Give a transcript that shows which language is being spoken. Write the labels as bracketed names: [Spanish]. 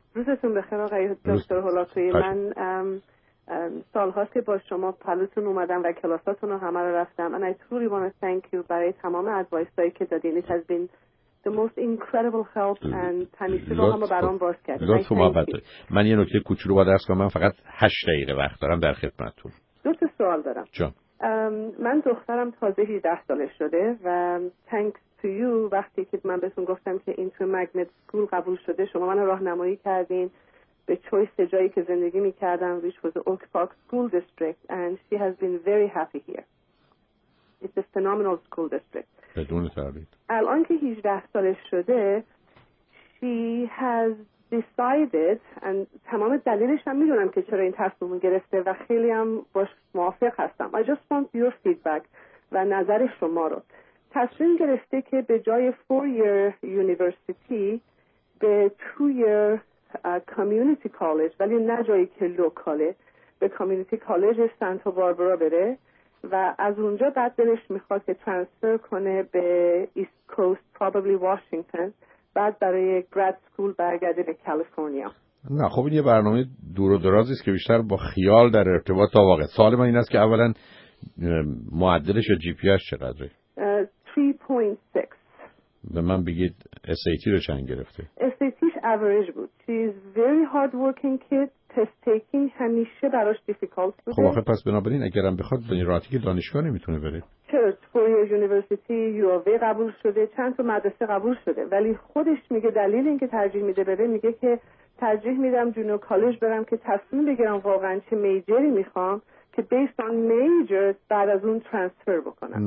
[Persian] روزتون بخیر آقای دکتر هلاکویی. من سال هاست که با شما پلوتون اومدم و کلاساتون رو همه رو رفتم [English] and I truly want to thank you [Persian] برای تمام ادوایس هایی که دادین. [English] It has been the most incredible help and [Persian] همیشه با همه برام باز کرد. لطف محبت دارید. من یه نکته کوچولو باید عرض کنم. من فقط 8 دقیقه وقت دارم در خدمتتون. دو تا سوال دارم. من دخترم تازه 18 ساله شده و [English] thanks to you [Persian] وقتی که من بهتون گفتم که [English] into magnet school [Persian] قبول شده شما من راهنمایی کردین به چویس جایی که زندگی میکردم [English] which was Oak Park School District and she has been very happy here. It's a phenomenal school district. [Persian] بدون تردید. الان که 18 ساله شده [English] she has decided and [Persian] تمام دلیلش هم میدونم که چرا این تصمیم گرفته و خیلی هم باش موافق هستم. [English] I just want your feedback [Persian] و نظر شما رو. تصمیم گرفته که به جای 4-year university به 2-year community college ولی نه جایی که لوکاله به community college سانتا باربرا بره و از اونجا بعد دلش میخواد که ترانسفر کنه به east coast probably Washington بعد برای grad school برگرده به کالیفرنیا. نه خب این یه برنامه دور و درازیست که بیشتر با خیال در ارتباط تا واقع. سوال من این است که اولا معدلش یا GPA چقدره؟ 3.6. به من بگید SAT رو چند گرفته؟ SATش average بود. [English] She is very hard working kid. Test taking [Persian] همیشه براش difficult بوده. خب آخه پس بنابراین اگرم بخواد به راحتی که دانشگاه نمیتونه بره. چرا؟ 4-year university UAV قبول شده. چند تا مدرسه قبول شده. ولی خودش میگه دلیل اینکه ترجیح میده بره میگه که ترجیح میدم جونیور کالج برم که تصمیم بگیرم واقعا چه میجری میخوام که [English] based on majors [Persian] بعد از اون ترانسفر بکنم.